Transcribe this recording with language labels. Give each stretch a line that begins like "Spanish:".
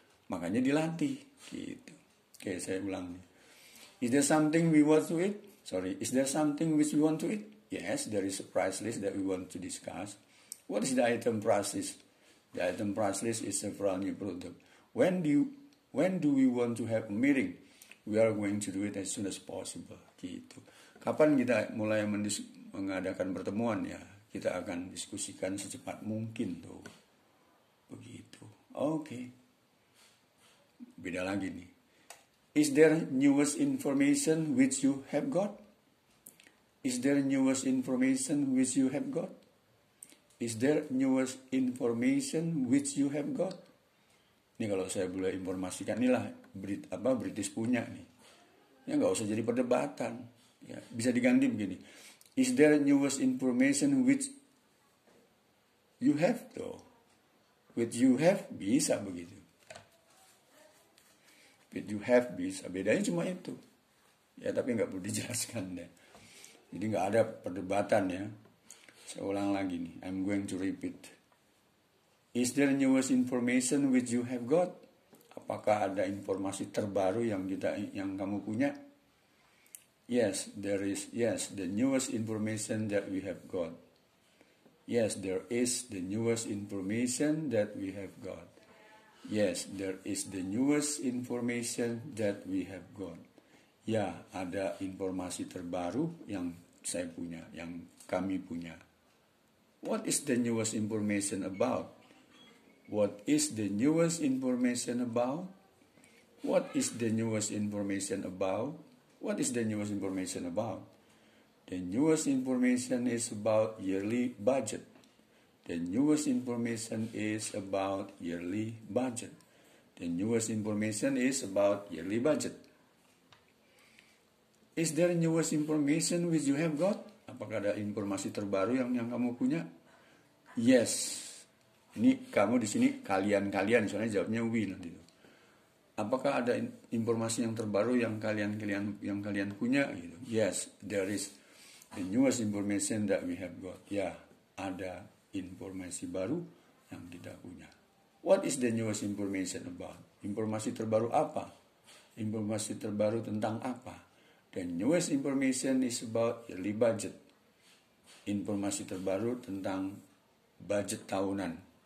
Indonesian: Makanya dilatih, gitu. Oke, saya ulang.
English: Is there something we want to eat? Sorry, is there something which we want to eat? Yes, there is a price list that we want to discuss. What is the item price list? The item price list is several new product. When do we want to have a meeting? We are going to do it as soon as possible.
Indonesian: Gitu. Kapan kita mulai mengadakan pertemuan ya? Kita akan diskusikan secepat mungkin tuh. Begitu. Oke. Beda lagi nih.
English: Is there newest information which you have got? Is there newest information which you have got? Is there newest information which you have got?
Indonesian: Ini kalau saya boleh informasikan, inilah British punya nih. Ya nggak usah jadi perdebatan. Ya, bisa diganti begini.
English: Is there newest information which you have though.
Indonesian: With you have bisa begitu. With you have bisa. Bedanya cuma itu. Ya, tapi enggak perlu dijelaskan deh. Jadi enggak ada perdebatan ya. Saya ulang lagi nih.
English: I'm going to repeat. Is there newest information which you have got?
Indonesian: Apakah ada informasi terbaru yang kamu punya?
English: Yes, there is. Yes, the newest information that we have got. Yes, there is the newest information that we have got. Yes, there is the newest information that we have got.
Indonesian: Ya, ada informasi terbaru yang saya punya, yang kami punya.
English: What is the newest information about? What is the newest information about? What is the newest information about? What is the newest information about? The newest information is about yearly budget. The newest information is about yearly budget. The newest information is about yearly budget. Is there newest information which you have got?
Indonesian: Apakah ada informasi terbaru yang kamu punya?
English: Yes.
Indonesian: Ini kamu di sini kalian-kalian, soalnya jawabnya we nanti. Apakah ada informasi yang terbaru yang kalian punya? Gitu.
English: Yes, there is the newest information that we have got.
Indonesian: Ya, ada informasi baru yang kita punya.
English: What is the newest information about?
Indonesian: Informasi terbaru apa? Informasi terbaru tentang apa?
English: The newest information is about yearly budget.
Indonesian: Informasi terbaru tentang budget tahunan.